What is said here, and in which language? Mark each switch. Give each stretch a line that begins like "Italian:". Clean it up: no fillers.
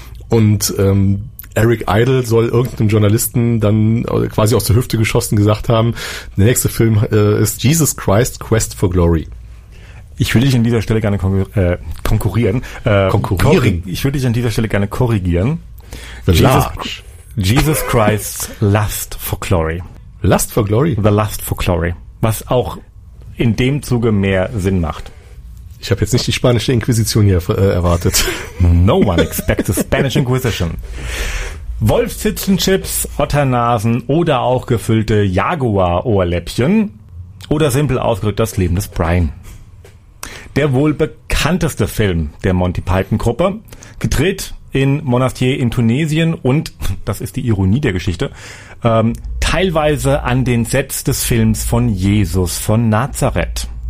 German: Und Eric Idle soll irgendeinem Journalisten dann quasi aus der Hüfte geschossen gesagt haben, der nächste Film ist Jesus Christ Quest for Glory. Ich würde dich an dieser Stelle gerne konkurrieren. Konkurrieren? Ich würde dich an dieser Stelle gerne korrigieren.
English: Jesus Christ's Lust for Glory. Lust for Glory? The Lust for Glory.
German: Was auch in dem Zuge mehr Sinn macht. Ich habe jetzt nicht die spanische Inquisition hier erwartet.
English: No one expects the Spanish Inquisition.
German: Wolfszitzenchips, Otternasen oder auch gefüllte Jaguar-Ohrläppchen. Oder simpel ausgedrückt das Leben des Brian. Der wohl bekannteste Film der Monty Python-Gruppe, gedreht in Monastier in Tunesien und, das ist die Ironie der Geschichte, teilweise an den Sets des Films von Jesus von Nazareth.